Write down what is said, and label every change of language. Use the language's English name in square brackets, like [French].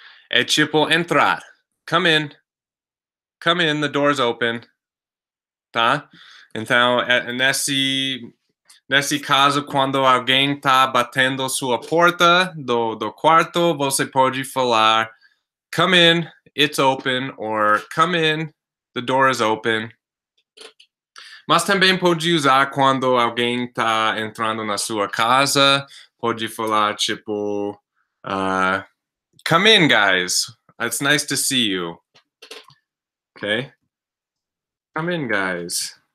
[Portuguese] É tipo entrar. [English] Come in. Come in, the door's open. Tá? [Portuguese] Então, nesse caso, quando alguém tá batendo sua porta do quarto, você pode falar, come in. [English] It's open, or come in, the door is open. [Portuguese] Mas também pode usar quando alguém está entrando na sua casa, pode falar tipo, [English] come in, guys. It's nice to see you. Okay? Come in, guys.